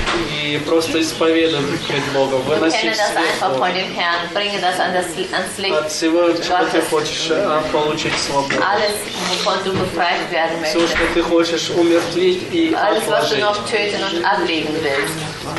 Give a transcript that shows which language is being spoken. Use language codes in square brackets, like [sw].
[ru] И просто исповедуй перед Богом. Выноси все. [de] Einfach von dem Herrn, bringe das ans Licht. [ru] Всего, ты хочешь, получить свободу. [de] Alles, wovon du befreit werden möchtest. [ru] Все, что ты хочешь умертвить и отложить. [de] Alles, was du noch töten und ablegen willst.